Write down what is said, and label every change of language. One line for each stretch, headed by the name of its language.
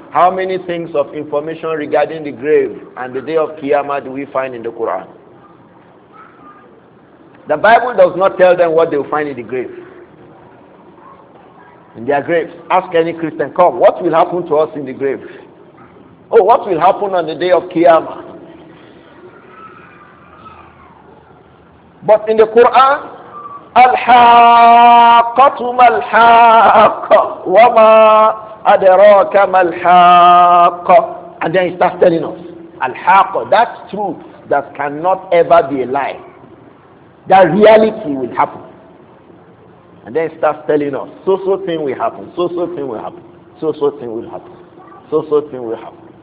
English: How many things of information regarding the grave and the day of Qiyamah do we find in the Quran? The Bible does not tell them what they will find in the grave. In their graves. Ask any Christian, come, what will happen to us in the grave? Oh, what will happen on the day of Qiyamah? But in the Quran,
Arabic: الْحَاقَّةُ مَا الْحَاقَّةُ وَمَا أَدْرَاكَ مَا الْحَاقَّةُ.
English: And then he starts telling us, الْحَاقَّةُ, that truth that cannot ever be a lie. That reality will happen. And then he starts telling us, so-so thing will happen, so-so thing will happen, so-so thing will happen, so-so thing will happen.